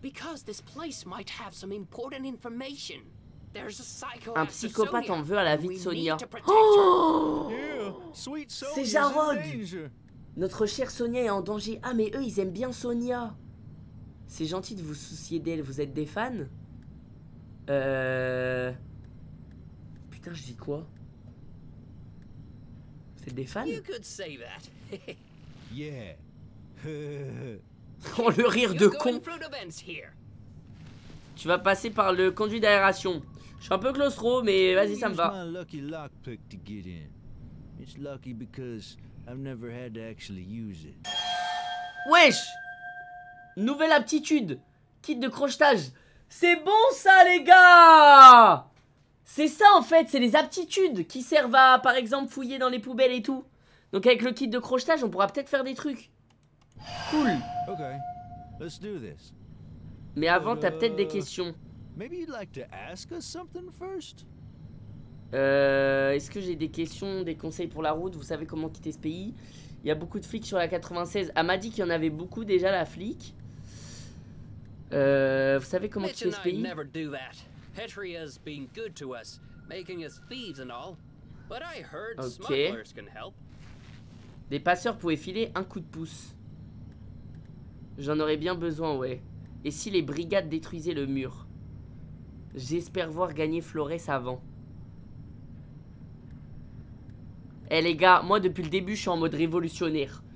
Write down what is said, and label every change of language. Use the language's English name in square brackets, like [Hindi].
[English] Because this place might have some important information. There's a psycho. [French] Un psychopathe en veut à la vie de Sonia. Oh, c'est Jarod. Notre chère Sonia est en danger. Ah, mais eux, ils aiment bien Sonia. C'est gentil de vous soucier d'elle. Vous êtes des fans? Putain, je dis quoi? Vous êtes des fans? [English] You could say that. Yeah. [French] Oh, le rire de con. Tu vas passer par le conduit d'aération. Je suis un peu claustro, mais vas-y, ça me va. My lucky lockpick to get in. It's lucky because I've never had to actually use it. Wesh! Nouvelle aptitude. Kit de crochetage. C'est bon ça, les gars! C'est ça, en fait. C'est les aptitudes qui servent à, par exemple, fouiller dans les poubelles et tout. Donc avec le kit de crochetage, on pourra peut-être faire des trucs. Cool. [English] Okay, let's do this. [French] Mais avant, t'as peut-être des questions. [English] Maybe you'd like to ask us something first. [French] Est-ce que j'ai des questions, des conseils pour la route? Vous savez comment quitter ce pays? Il y a beaucoup de flics sur la 96. Elle m'a dit qu'il y en avait beaucoup déjà, la flic. Vous savez comment Mitch quitter ce pays? [English] Never do that. Petria's been good to us, making us thieves and all. But I heard smugglers can help. [French] Des passeurs pouvaient filer un coup de pouce. J'en aurais bien besoin, ouais. Et si les brigades détruisaient le mur? J'espère voir gagner Flores avant. Eh les gars, moi depuis le début, je suis en mode révolutionnaire.